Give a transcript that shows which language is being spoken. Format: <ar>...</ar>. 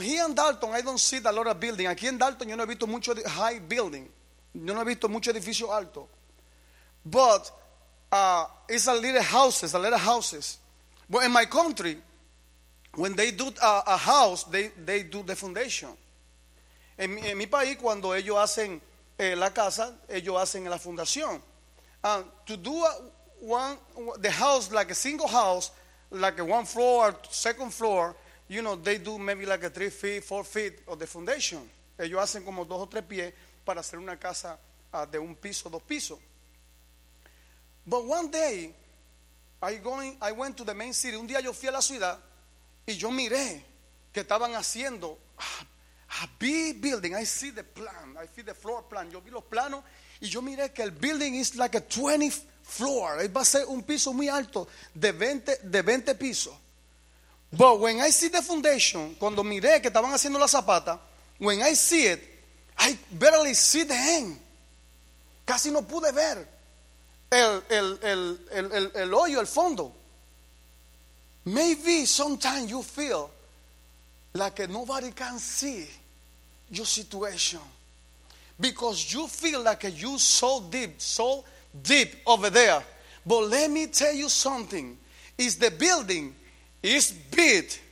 <en>Here in Dalton, I don't see a lot of building.</en> <es>Aquí en Dalton, yo no he visto mucho high building. Yo no he visto mucho edificio alto.</es> <en>But it's a little houses, a little houses. But in my country, when they do a house, they do the foundation.</en> <es>En mi país, cuando ellos hacen la casa, ellos hacen la fundación.</es> <en>To do the house, like a single house, like a one floor, second floor, you know, they do maybe like a 3 feet, 4 feet of the foundation.</en> <es>Ellos hacen como dos o tres pies para hacer una casa de un piso, dos pisos.</es> <en>But one day, I went to the main city.</en> <es>Un día yo fui a la ciudad y yo miré que estaban haciendo</es> <en>a big building. I see the plan. I see the floor plan.</en> <es>Yo vi los planos y yo miré que el</es> <en>building is like a 20 floor.</en> <es>Va a ser un piso muy alto de 20 pisos.</es> <en>But when I see the foundation,</en> <es>cuando miré que estaban haciendo la zapata,</es> <en>when I see it, I barely see the end.</en> <es>Casi no pude ver el hoyo, el fondo.</es> <en>Maybe sometimes you feel like nobody can see your situation because you feel like you're so deep over there. But let me tell you something. It's the building. It's big.</en>